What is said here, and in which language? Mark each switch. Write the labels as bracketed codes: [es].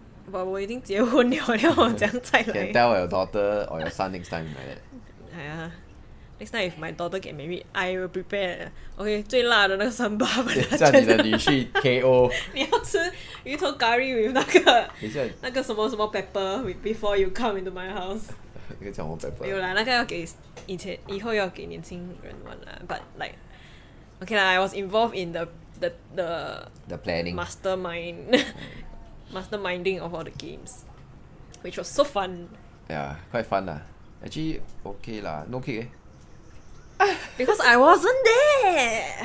[zh] But 我已经结婚了，然后我怎样再来？ [en] Can tell your daughter or your son next time, right? Next time if my daughter get married, I will prepare. Okay, [zh] 最辣的那个三八粉，叫你的女婿 [en] KO. [zh] 你要吃鱼头咖喱 [en] with [zh] 那个什么什么 [en] pepper before you come into my house. [zh] 那个叫什么 pepper? 没有啦，那个要给以前以后要给年轻人玩啦。 [en] But like, okay lah, I was involved in the planning mastermind. Masterminding of all the games, which was so fun. Yeah, quite fun la. Actually, okay la, no cake eh. Because I wasn't there.